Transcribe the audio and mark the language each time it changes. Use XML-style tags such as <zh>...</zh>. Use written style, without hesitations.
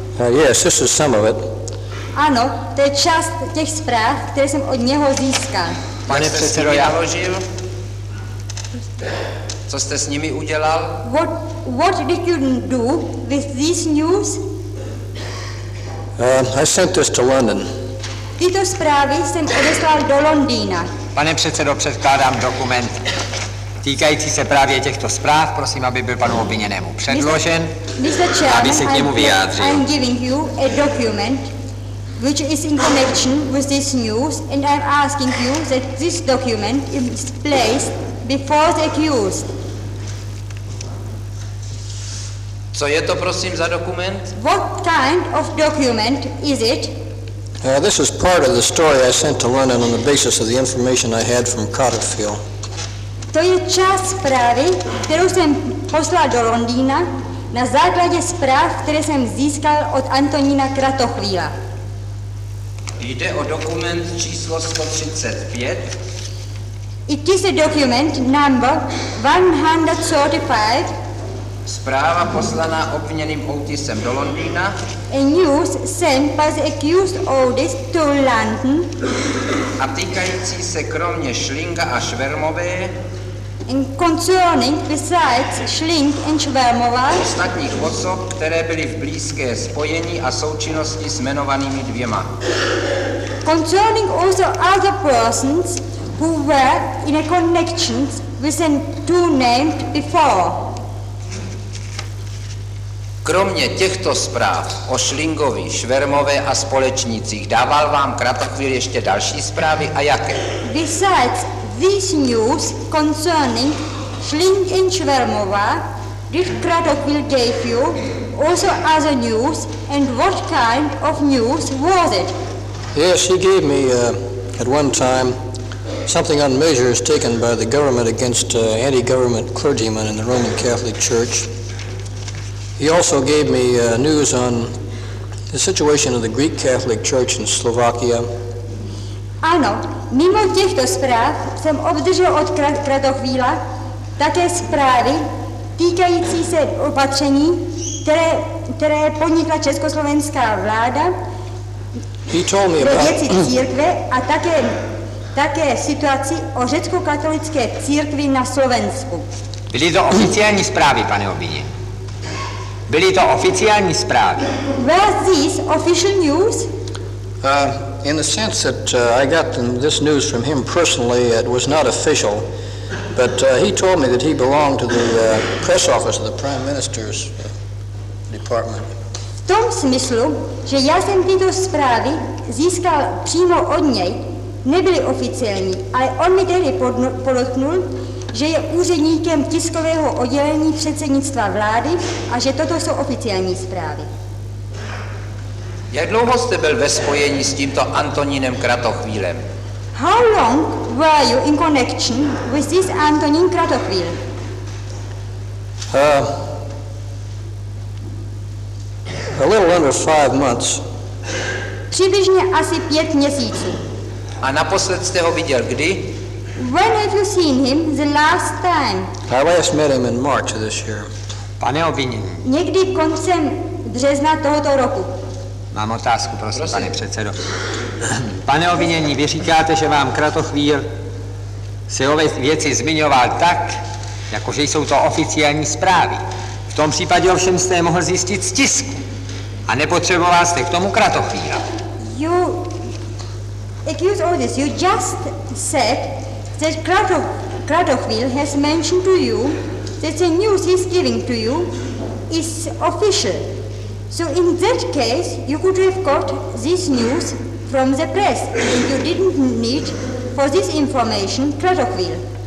<en>Yes, this is some of it.</en> <cs>Ano, to je část těch zpráv, které jsem od něho získal. Pane předsedo, já ložil. Co jste s nimi udělal?</cs> <en>What did you do with this news? I sent this to London.</en> <cs>Tyto zprávy jsem odeslal do Londýna. Pane předsedo, předkládám dokument týkající se právě těchto zpráv. Prosím, aby byl panu obviněnému předložen, aby se k němu vyjádřil.</cs> <en>I'm giving you a document which is in connection with this news and I'm asking you that this document is placed before the accused.</en> <cs>Co je to, prosím, za dokument?</cs> <en>What kind of document is it? This is part of the story I sent to London on the basis of the information I had from Carterfield.</en> <cs>To je část zprávy, kterou jsem poslal do Londýna na základě zpráv, které jsem získal od Antonína Kratochvíla. Jde o dokument číslo 135.</cs> <en>It is a document number 135.</en> <cs>Zpráva poslaná obviněným Otisem do Londýna.</cs> <en>A news sent by the accused Otis to London.</en> <cs>A týkající se kromě Schlinga a Švermové.</cs> <en>And concerning besides Schling and Švermová.</en> <cs>Ostatních osob, které byly v blízké spojení a součinnosti s jmenovanými dvěma.</cs> <en>Concerning also other persons who were in a connection with the two named before.</en> <cs>Kromě těchto zpráv o Schlingovi, Švermové a společnících, dával vám Kratochvíl ještě další zprávy a jaké?</cs> <en>Besides this news concerning Schling and Švermová, did Kratochvíl gave you also other news and what kind of news was it? Yes, he gave me at one time something on measures taken by the government against anti-government clergymen in the Roman Catholic Church. He also gave me news on the situation of the Greek Catholic Church in Slovakia.</en> <cs>Ano, mimo těchto zpráv jsem obdržel od Kratochvíla také zprávy týkající se opatření, které podnikla československá vláda pro věci církve a také situaci o řecko-katolické církvi na Slovensku. Byly to oficiální zprávy, pane obviněný. Byly to oficiální zprávy.</cs> <en>Were these official news? In the sense that I got this news from him personally, it was not official. But he told me that he belonged to the press office of the Prime Minister's department.</en> <cs>V tom smyslu, že já jsem tyto zprávy získal přímo od něj, nebyly oficiální, ale on mi tehdy podotknul, že je úředníkem tiskového oddělení předsednictva vlády a že toto jsou oficiální zprávy. Jak dlouho jste byl ve spojení s tímto Antonínem Kratochvílem?</cs> <en>How long were you in connection with this Antonín Kratochvíl? A little under 5 months.</en> <cs>Přibližně asi 5 měsíců. A naposled jste ho viděl kdy?</cs> <en>When have you seen him the last time? I last met him in March of this year.</en> <cs>Pane obviněný. Někdy koncem března tohoto roku. Mám otázku, prosím, pane předsedo. Pane obviněný, vy říkáte, že vám Kratochvíl se o věci zmiňoval tak, jako že jsou to oficiální zprávy. V tom případě ovšem jste mohl zjistit z tisku. A nepotřeboval jste k tomu Kratochvíla.</cs> <en>You accuse all this. You just said that Kratochvíl has mentioned to you that the news he's giving to you is official. So in that case, you could have got this news from the press and you didn't need for this information Kratochvíl.</en>